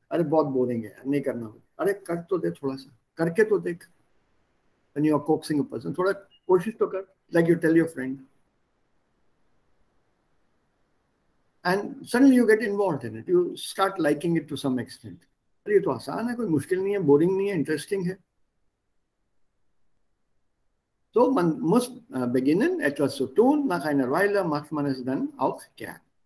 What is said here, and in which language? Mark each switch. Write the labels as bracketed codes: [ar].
[hi] अरे बहुत boring है, नहीं करना होगा. अरे कर तो दे थोड़ा सा, करके तो देख. [en] When you are coaxing a person, [hi] थोड़ा कोशिश तो कर. [en] Like you tell your friend, and suddenly you get involved in it. You start liking it to some extent. [hi] अरे ये तो आसान है, कोई मुश्किल नहीं है, boring नहीं है, interesting है. [en] So man must begin in [de] etwas zu tun, nach einer Weile macht man es dann auch gern.